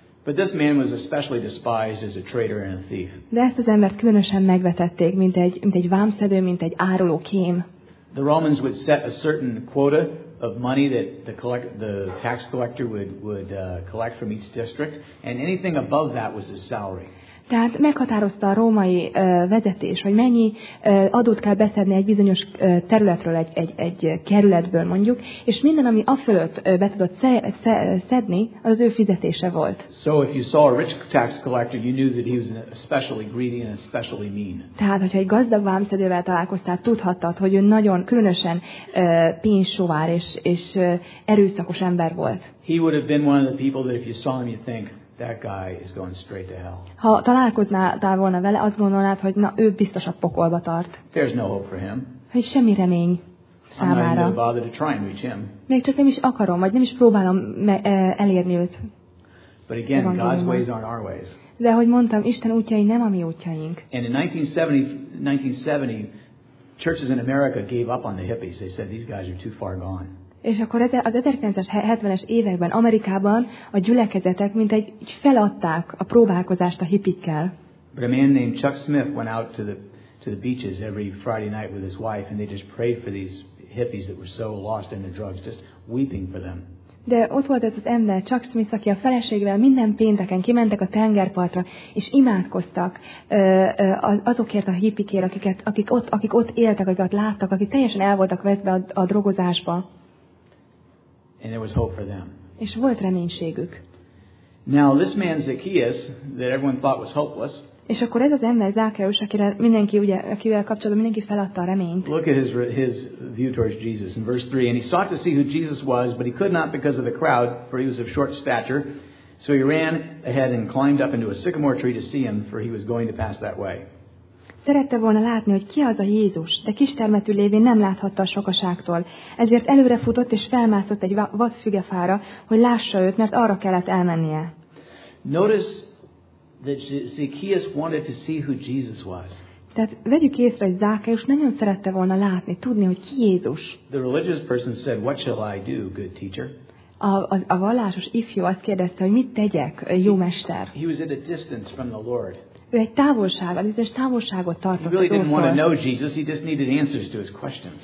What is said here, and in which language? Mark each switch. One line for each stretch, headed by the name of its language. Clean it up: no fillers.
English: But this man was especially despised as a traitor and a thief.
Hungarian: De ezt az embert különösen megvetették, mint egy vámszedő, mint egy áruló kém.
English: The Romans would set a certain quota of money that the tax collector would collect from each district, and anything above that was his salary.
Hungarian: Tehát meghatározta a római vezetés, hogy mennyi adót kell beszedni egy bizonyos területről, egy kerületből mondjuk, és minden, ami a fölött be tudott szedni, az ő fizetése volt.
English: So if you saw a rich tax collector, you knew that he was especially greedy and especially mean.
Hungarian: Tehát, hogyha egy gazdag vámszedővel találkoztál, tudhattad, hogy ő nagyon különösen pénzsovár és erőszakos ember volt.
English: He would have been one of the people that if you saw him, you'd think, that guy is going straight to hell.
Hungarian: Ha találkoznál volna vele, azt gondolnád, hogy na, ő biztos a pokolba tart.
English: There's no hope for him.
Hungarian: Hogy semmi remény számára.
English: I'm not even bothered to try and reach him.
Hungarian: Még csak nem is akarom, vagy nem is próbálom elérni őt.
English: But again, God's ways aren't our ways.
Hungarian: De ahogy mondtam, Isten útjai nem a mi útjaink.
English: And in 1970, churches in America gave up on the hippies. They said, these guys are too far gone.
Hungarian: És akkor az 1970-es években Amerikában a gyülekezetek mint egy feladták a próbálkozást a hippikkel.
English: But a man named Chuck Smith went out to the beaches every Friday night with his wife, and they just prayed for these hippies that were so lost in the drugs, just weeping for them.
Hungarian: De ott volt ez az ember, Chuck Smith, aki a feleségével minden pénteken kimentek a tengerpartra, és imádkoztak azokért a hippikért, akik ott éltek, akiket láttak, akik teljesen el voltak vezve a drogozásba.
English: And there was hope for them.
Hungarian: És volt reménységük.
English: Now this man Zacchaeus, that everyone thought was hopeless.
Hungarian: És akkor ez az ember Zákeus, akire mindenki ugye, akivel kapcsolatban mindenki feladta a reményt.
English: Look at his view towards Jesus in verse 3. And he sought to see who Jesus was, but he could not because of the crowd, for he was of short stature. So he ran ahead and climbed up into a sycamore tree to see him, for he was going to pass that way.
Hungarian: Szerette volna látni, hogy ki az a Jézus, de kistermetű lévén nem láthatta a sokaságtól. Ezért előre futott és felmászott egy vadfügefára, hogy lássa őt, mert arra kellett elmennie.
English: Notice that Zacchaeus wanted to see who Jesus was.
Hungarian: Tehát vegyük észre, hogy Zákeus nagyon szerette volna látni, tudni, hogy ki Jézus.
English: The religious person said, "What shall I do, good teacher?"
Hungarian: a vallásos ifjú azt kérdezte, hogy mit tegyek, jó mester.
English: He was at a distance from the Lord.
Hungarian: Ő egy távolság, az üzenet távolságot tartott.
English: He really didn't want to know Jesus. He just needed answers to his questions.